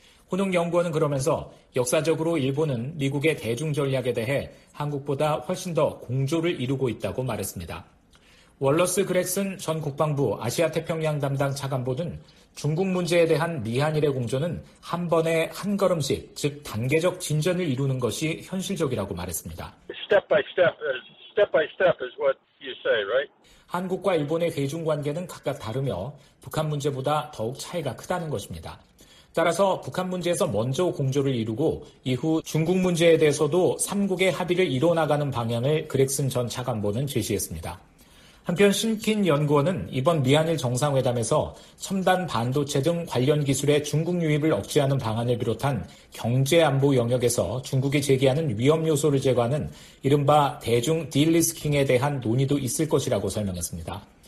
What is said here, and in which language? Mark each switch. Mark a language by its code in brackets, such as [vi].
[ko] 호농 연구원은 그러면서 역사적으로 일본은 미국의 대중 전략에 대해 한국보다 훨씬 더 공조를 이루고 있다고 말했습니다. 월러스 그렉슨 전 국방부 아시아태평양 담당 차관보는 중국 문제에 대한 미한일의 공조는 한 번에 한 걸음씩, 즉 단계적 진전을 이루는 것이 현실적이라고 말했습니다. [en] Step by step is what you say, right? [ko] 한국과 일본의 대중 관계는 각각 다르며 북한 문제보다 더욱 차이가 크다는 것입니다. 따라서 북한 문제에서 먼저 공조를 이루고 이후 중국 문제에 대해서도 3국의 합의를 이뤄나가는 방향을 그렉슨 전 차관보는 제시했습니다. 한편 신킨 연구원은 이번 미한일 정상회담에서 첨단 반도체 등 관련 기술의 중국 유입을 억제하는 방안을 비롯한 경제 안보 영역에서 중국이 제기하는 위험 요소를 제거하는 이른바 대중 딜리스킹에 대한 논의도 있을 것이라고 설명했습니다.